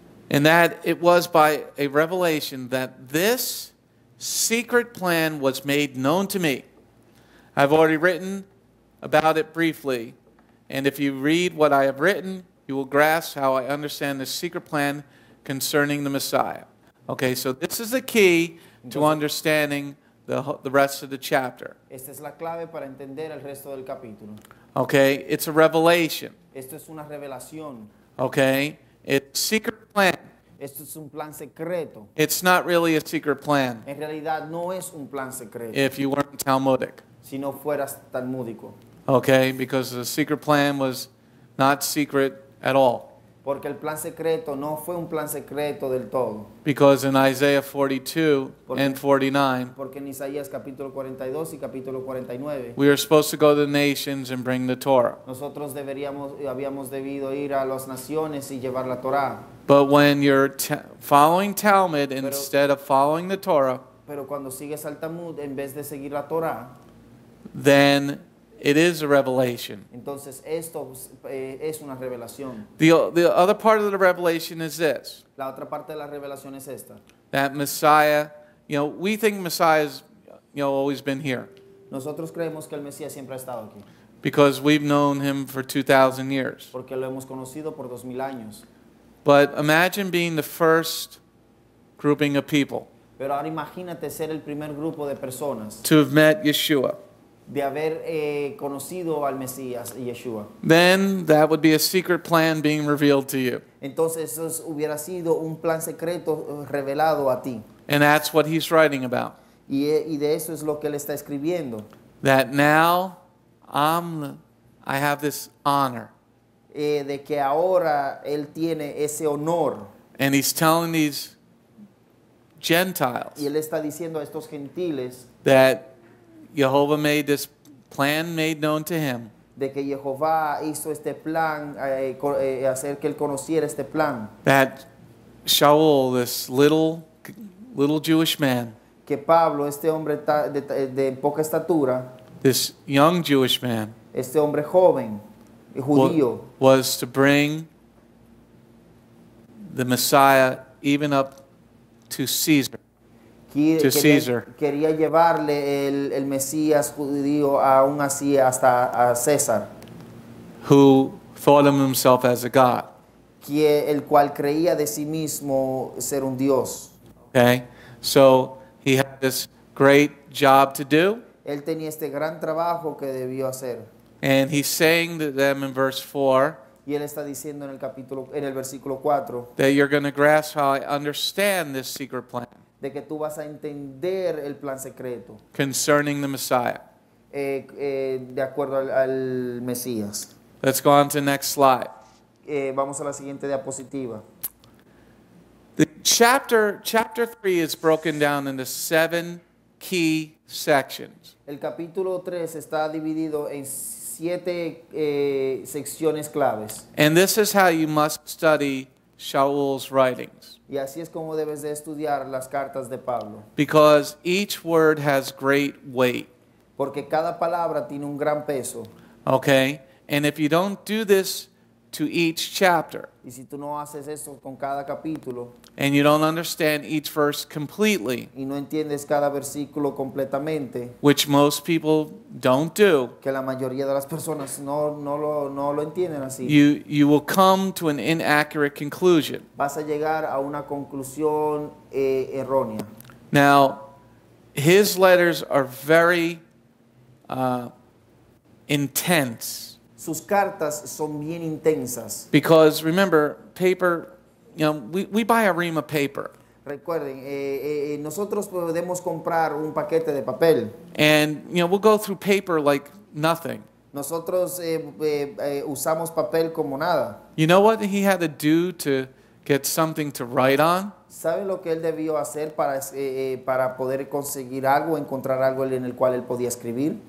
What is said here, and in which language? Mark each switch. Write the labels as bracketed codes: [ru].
[en] And that it was by a revelation that this secret plan was made known to me. I've already written about it briefly. And if you read what I have written, you will grasp how I understand the secret plan concerning the Messiah. Okay, so this is the key to understanding the rest of the chapter. [es] Esta es la clave para entender el resto del capítulo. [en] Okay, it's a revelation. [es] Esto es una revelación. [en] Okay, it's a secret plan. [es] Esto es un plan secreto. [en] It's not really a secret plan. [es] En realidad no es un plan secreto. [en] If you weren't Talmudic. [es] Si no fueras talmúdico. [en] Okay, because the secret plan was not secret at all. [es] Porque el plan secreto no fue un plan secreto del todo. [en] Because in Isaiah 42 and 49, [es] porque en Isaías capítulo 42 y capítulo 49, [en] we are supposed to go to the nations and bring the Torah. [es] Nosotros deberíamos, habíamos debido ir a las naciones y llevar la Torah. [en] But when you're following Talmud instead of following the Torah, [es] pero cuando sigues al Talmud en vez de seguir la Torah, [en] then it is a revelation. [es] Entonces, esto es una revelación. [en] The other part of the revelation is this. [es] La otra parte de la revelación es esta. [en] That Messiah, you know, we think Messiah has, you know, always been here. [es] Nosotros creemos que el Mesías siempre ha estado aquí. [en] Because we've known him for 2,000 years. [es] Porque lo hemos conocido por 2,000 años. [en] But imagine being the first grouping of people. [es] Pero ahora imagínate ser el primer grupo de personas. [en] To have met Yeshua. [es] De haber conocido al Mesías Yeshua. [en] Then that would be a secret plan being revealed to you. [es] Entonces eso hubiera sido un plan secreto revelado a ti. [en] And that's what he's writing about. [es] Y de eso es lo que él está escribiendo. [en] That now I have this honor. [es] De que ahora él tiene ese honor. [en] And he's telling these Gentiles. [es] Y él está diciendo a estos gentiles. [en] That Yehovah made this plan made known to him. [es] De que Yehovah hizo este plan, hacer que él conociera este plan. [en] That Shaul, this little Jewish man. [es] Que Pablo, este hombre de poca estatura. [en] This young Jewish man. [es] Este hombre joven, judío. [en] Was to bring the Messiah even up to Caesar. [es] Quería llevarle el Mesías judío aún así hasta a César. [en] Who thought of himself as a god. [es] El cual creía de sí mismo ser un dios. [en] Okay, so he had this great job to do. [es] Él tenía este gran trabajo que debió hacer. [en] And he's saying to them in verse 4. [es] Y él está diciendo en el capítulo, en el versículo 4. [en] That you're going to grasp how I understand this secret plan. [es] De que tú vas a entender el plan secreto. [en] Concerning the Messiah. [es] De acuerdo al Mesías. [en] Let's go on to the next slide. [es] Vamos a la siguiente diapositiva. [en] The chapter 3 is broken down into 7 key sections. [es] El capítulo 3 está dividido en 7 secciones claves. [en] And this is how you must study Shaul's writings. [es] Y así es como debes de estudiar las cartas de Pablo. [en] Because each word has great weight. [es] Porque cada palabra tiene un gran peso. [en] Okay, and if you don't do this to each chapter, [es] y si tú no haces eso con cada capítulo, [en] and you don't understand each verse completely, [es] y no entiendes cada versículo completamente, [en] which most people don't do, [es] que la mayoría de las personas no lo entienden así, [en] you will come to an inaccurate conclusion. [es] Vas a llegar a una conclusión errónea. [en] Now, his letters are very intense. [es] Sus cartas son bien intensas. [en] Because remember, paper, you know, we buy a ream of paper. [es] Recuerden, nosotros podemos comprar un paquete de papel. [en] And, you know, we'll go through paper like nothing. [es] Nosotros usamos papel como nada. [en] You know what he had to do to get something to write on? [es] ¿Saben lo que él debió hacer para poder conseguir algo, encontrar algo en el cual él podía escribir?